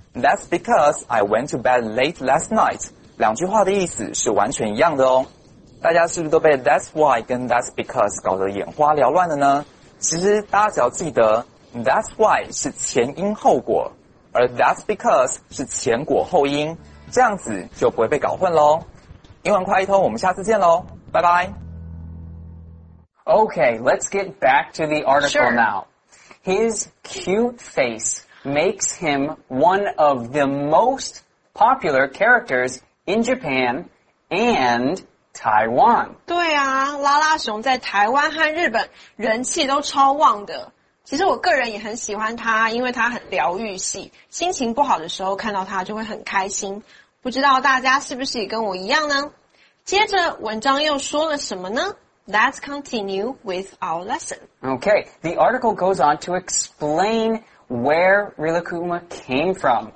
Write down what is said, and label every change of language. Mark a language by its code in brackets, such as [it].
[en] That's because I went to bed late last night. [zh] 两句话的意思是完全一样的哦。大家是不是都被 that's why 跟 that's because 搞得眼花缭乱了呢？其实大家只要记得 that's why 是前因后果，而 that's because 是前果后因，这样子就不会被搞混咯。英文快一通，我们下次见咯，拜拜。 [en] Okay, let's get back to the article、 sure. now. His cute face... makes him one of the most popular characters in Japan and Taiwan. [zh] 对啊，拉拉熊在台湾和日本人气都超旺的。其实我个人也很喜欢他，因为他很疗愈系，心情不好的时候看到他就会很开心。不知道大家是不是也跟我一样呢？接着文章又说了什么呢？ [en] Let's continue with our lesson. Okay, the article goes on to explain where Rilakkuma came from.